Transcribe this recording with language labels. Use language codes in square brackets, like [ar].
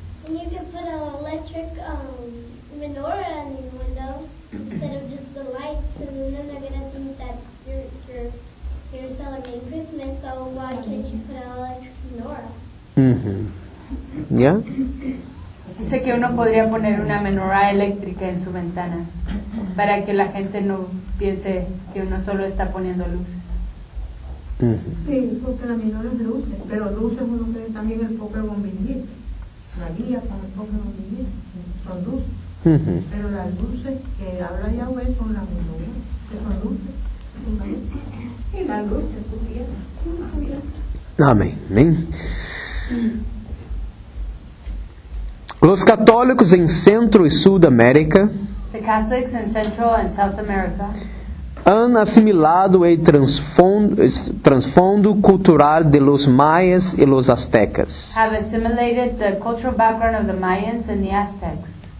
[en] And you can put an electric menorah in the window instead of just the lights, and then they're going to think that you're celebrating Christmas, so why can't you put an electric menorah? Mm-hmm. Yeah? [es] Dice que uno podría poner una menorá eléctrica en su ventana para que la gente no piense que uno solo está poniendo luces. Sí, porque la menorá es luces, pero luces uno cree también el poco de bombillín. La guía para el poco de bombillín son luces. Pero las luces que habla Yahweh son las menorás, que son luces. Las luces, tu guía. Amén. Amén. Los católicos en Centro y Sudamérica, [en] the Catholics in Central and South America, [es] han asimilado el trasfondo cultural de los mayas y los aztecas. [en] Have assimilated the cultural background of the Mayans and the Aztecs.